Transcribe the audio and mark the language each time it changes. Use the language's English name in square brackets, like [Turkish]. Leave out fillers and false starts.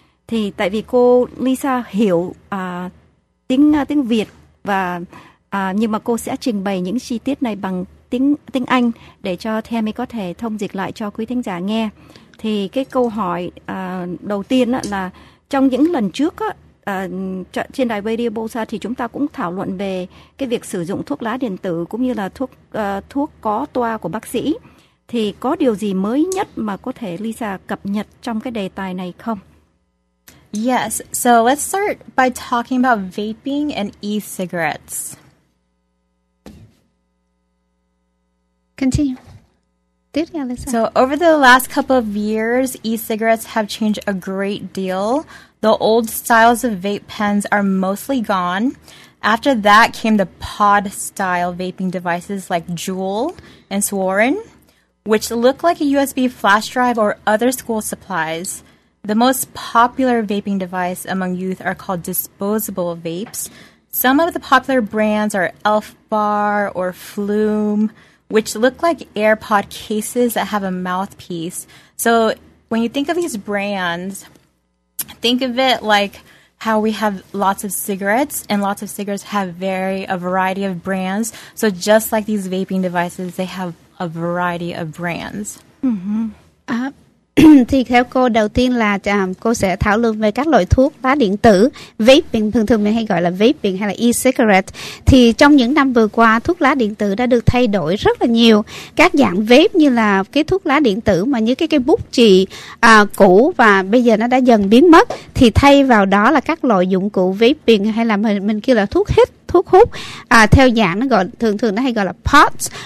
[Vietnamese] Thì tại vì cô Lisa hiểu tiếng Việt và nhưng mà cô sẽ trình bày những chi tiết này bằng tiếng Anh để cho Tammy có thể thông dịch lại cho quý thính giả nghe. Thì cái câu hỏi đầu tiên là trong những lần trước trên đài Radio Bosa thì chúng ta cũng thảo luận về cái việc sử dụng thuốc lá điện tử cũng như là thuốc có toa của bác sĩ. Thì có điều gì mới nhất mà có thể Lisa cập nhật trong cái đề tài này không? [English] Yes, so let's start by talking about vaping and e-cigarettes. Continue. Did you, Lisa? So over the last couple of years, e-cigarettes have changed a great deal. The old styles of vape pens are mostly gone. After that came the pod-style vaping devices like Juul and Swarin, which look like a USB flash drive or other school supplies. The most popular vaping device among youth are called disposable vapes. Some of the popular brands are Elf Bar or Flume, which look like AirPod cases that have a mouthpiece. So when you think of these brands, think of it like how we have lots of cigarettes, and lots of cigarettes have a variety of brands. So just like these vaping devices, they have a variety of brands. [Vietnamese] Thì theo cô, đầu tiên là cô sẽ thảo luận về các loại thuốc lá điện tử, vaping, thường thường mình hay gọi là vaping hay là e-cigarette. Thì trong những năm vừa qua, thuốc lá điện tử đã được thay đổi rất là nhiều. Các dạng vape như là cái thuốc lá điện tử mà như cái bút chì cũ và bây giờ nó đã dần biến mất, thì thay vào đó là các loại dụng cụ vaping hay là mình kêu là thuốc hít, thuốc hút, theo dạng nó gọi, thường thường nó hay gọi là pods.